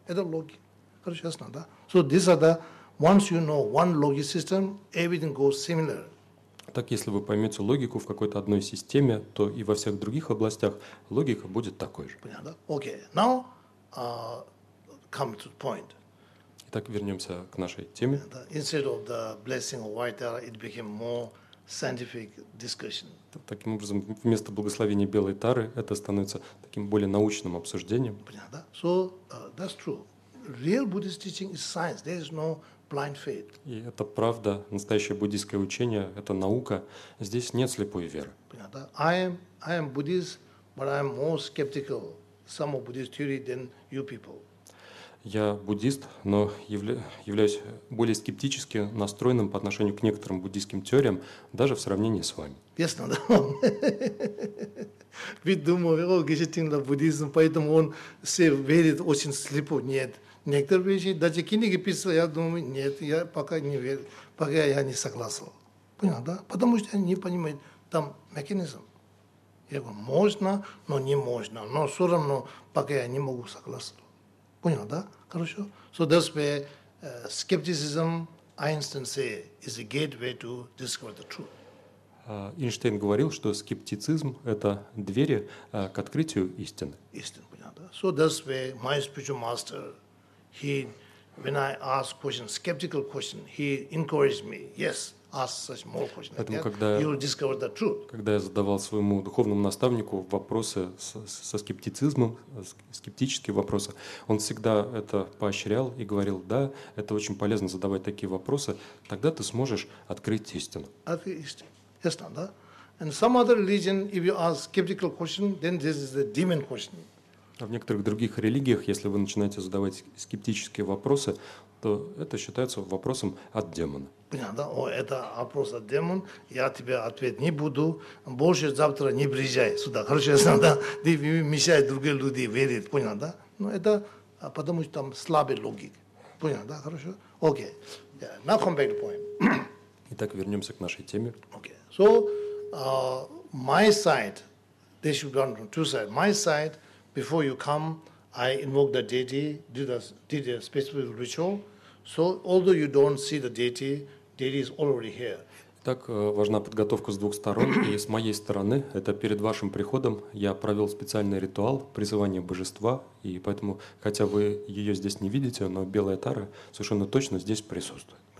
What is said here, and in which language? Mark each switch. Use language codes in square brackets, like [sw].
[ru] Это логика. Короче, ясно, да? [en] So these are the, once you know one logic system, everything goes similar. [ru] Так, если вы поймете логику в какой-то одной системе, то и во всех других областях логика будет такой же. Понятно? [en] Okay. Now, come to the point. [ru] Итак, вернемся к нашей теме. Понятно? [en] Instead of the blessing of white tara, it became more scientific discussion. [ru] Таким образом, вместо благословения белой тары, это становится таким более научным обсуждением. Понятно? [en] So, that's true. Real Buddhist teaching is science. There is no... Blind faith. [ru] И это правда, настоящее буддийское учение, это наука. Здесь нет слепой веры. Понятно? [en] I am Buddhist, but I am more skeptical some of Buddhist theory than you people. [ru] Я буддист, но являюсь более скептически настроенным по отношению к некоторым буддийским теориям, даже в сравнении с вами. Ясно, да? Ведь думаю, о, гешетин на буддизм, поэтому он все верит очень слепо. Нет. Некоторые вещи, даже книги писал, я думаю, нет, я пока не верю, пока я не согласен. Понятно, да? Потому что они не понимают там механизм. Я говорю, можно, но не можно. Но все равно, пока я не могу согласен. Понятно, да? Хорошо? [en] So that's where skepticism, Einstein said, is a gateway to discover the truth. [ru] Эйнштейн говорил, что скептицизм – это двери к открытию истины. Истины, понятно, да? [en] So that's where my spiritual master... He, when I ask question, skeptical question, he encouraged me. Yes, ask such more questions. [ru] Поэтому, [en] like [ru] когда, [en] you will discover the truth. [ru] Когда я задавал своему духовному наставнику вопросы со скептицизмом, скептические вопросы, он всегда это поощрял и говорил: да, это очень полезно задавать такие вопросы. Тогда ты сможешь открыть истину. Открыть истину. Ясно, да? [en] And some other religion, if you ask skeptical question, then this is the demon question. [ru] А в некоторых других религиях, если вы начинаете задавать скептические вопросы, то это считается вопросом от демона. Понятно. О, это вопрос от демона. Я тебе ответ не буду. Больше завтра не приезжай сюда. Хорошо, я знаю, да? Ты мешаешь другие люди верить. Понятно, да? Ну, это потому что там слабый логик. Понятно, да? Хорошо? [en] Окей. Yeah. Now come back to point. [ru] Итак, вернемся к нашей теме. Окей. Okay. [en] So, my side, this should be on two sides. My side, before you come, I invoke the deity, did a specific ritual. So, although you don't see the deity, deity is already here. [ru] Итак, важна подготовка с двух сторон. И с моей стороны, это перед вашим приходом я провел специальный ритуал призывания божества. И поэтому, хотя вы ее здесь не видите, но белая тара совершенно точно здесь присутствует.